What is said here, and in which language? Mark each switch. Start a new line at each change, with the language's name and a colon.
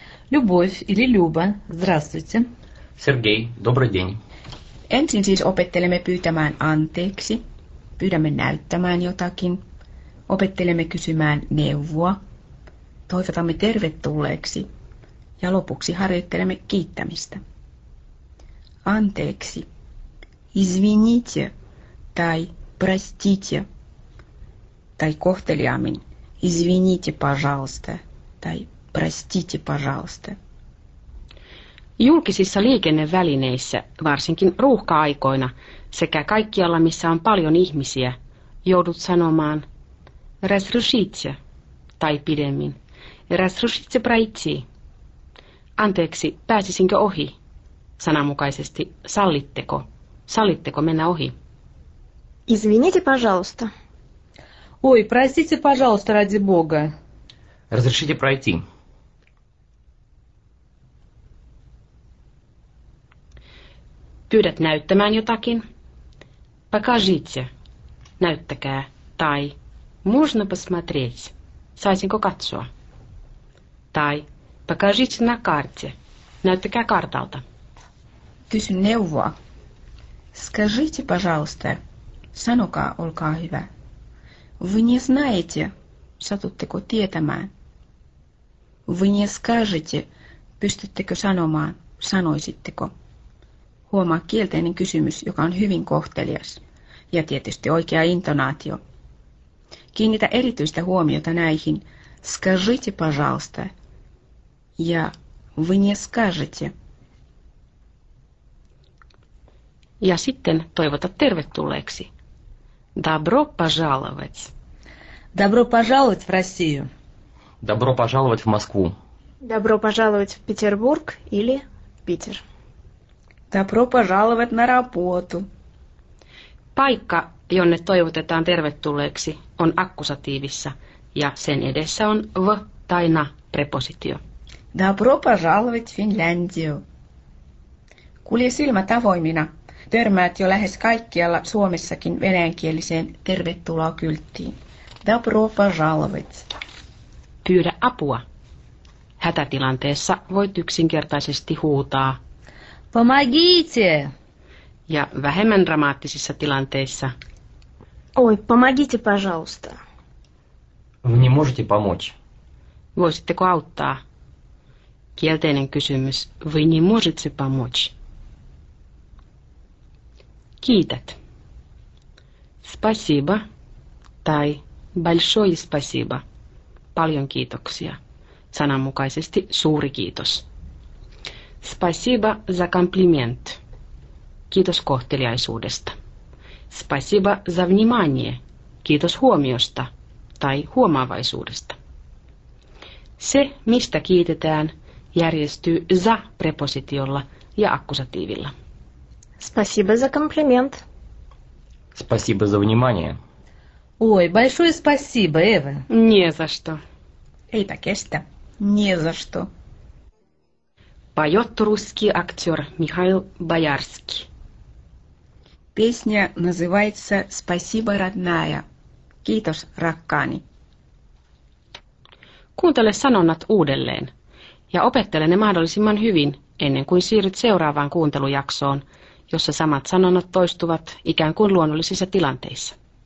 Russian: Любовь или Люба, здравствуйте. Сергей, добрый день.
Finnish: Ensin siis opettelemme pyytämään anteeksi. Pyydämme näyttämään jotakin. Opettelemme kysymään neuvoa, toivotamme tervetulleeksi ja lopuksi harjoittelemme kiittämistä. Anteeksi,
Russian: извините
Finnish: tai
Russian: простите,
Finnish: tai kohteliaammin,
Russian: извините, пожалуйста,
Finnish: tai
Russian: простите, пожалуйста.
Finnish: Julkisissa liikennevälineissä, varsinkin ruuhka-aikoina sekä kaikkialla, missä on paljon ihmisiä, joudut sanomaan
Russian: Разрешите,
Finnish: tai pidemmin.
Russian: Разрешите пройти.
Finnish: Anteeksi, pääsisinkö ohi? Sananmukaisesti, sallitteko? Sallitteko mennä ohi?
Russian: Извините, пожалуйста. Ой, простите, пожалуйста, ради бога. Разрешите пройти.
Finnish: Pyydät näyttämään jotakin?
Russian: Покажите.
Finnish: Näyttäkää.
Russian: Tai Можно посмотреть?
Finnish: Saisinko katsoa?
Russian: Tai покажите на карте.
Finnish: Näyttäkää kartalta. Kysyn neuvoa.
Russian: Скажите, пожалуйста.
Finnish: Sanokaa, olkaa hyvä.
Russian: Вы не знаете.
Finnish: Satutteko tietämään?
Russian: Вы не скажете.
Finnish: Pystyttekö sanomaan? Sanoisitteko? Huomaa kielteinen kysymys, joka on hyvin kohtelias. Ja tietysti oikea intonaatio. Kiinnitä erityistä huomiota näihin
Russian: «скажите, пожалуйста»
Finnish: ja
Russian: «вы не скажете».
Finnish: Ja sitten toivota tervetulleeksi.
Russian: «Добро пожаловать». «Добро пожаловать в Россию». «Добро пожаловать в Москву». «Добро пожаловать в Петербург» или «Питер». «Добро пожаловать на работу».
Finnish: Paikka, jonne toivotetaan тервetulleeksi, on akkusatiivissa, ja sen edessä on v tai na prepositio.
Russian: Добро пожаловать в Финляндию.
Finnish: Kulje silmät avoimina. Törmäät jo lähes kaikkialla Suomessakin venäjänkieliseen tervetuloa-kylttiin.
Russian: Добро пожаловать.
Finnish: Pyydä apua. Hätätilanteessa voit yksinkertaisesti huutaa.
Russian: Помогите!
Finnish: Ja vähemmän dramaattisissa tilanteissa.
Russian: Ой, помогите, пожалуйста. Вы не можете помочь.
Finnish: Voisitteko auttaa? Kielteinen kysymys.
Russian: Вы не можете помочь.
Finnish: Kiität.
Russian: Спасибо. Tai большое спасибо.
Finnish: Paljon kiitoksia. Sananmukaisesti suuri kiitos.
Russian: Спасибо за комплимент.
Finnish: Kiitos kohteliaisuudesta.
Russian: Спасибо за внимание.
Finnish: Kiitos huomiosta tai huomaavaisuudesta. Se, mistä kiitetään, järjestyy за prepositiolla ja akkusatiivilla.
Russian: Спасибо за комплимент. Спасибо за внимание. Ой, большое спасибо, Эва. Не за что.
Finnish: Эйта кеста.
Russian: Не за что. Поет русский актер Михаил Боярский. Песня называется «Спасибо, родная».
Finnish: Kiitos, rakkaani. Kuuntele sanonnat uudelleen ja opettele ne mahdollisimman hyvin ennen kuin siirryt seuraavaan kuuntelujaksoon, jossa samat sanonnat toistuvat ikään kuin luonnollisissa tilanteissa.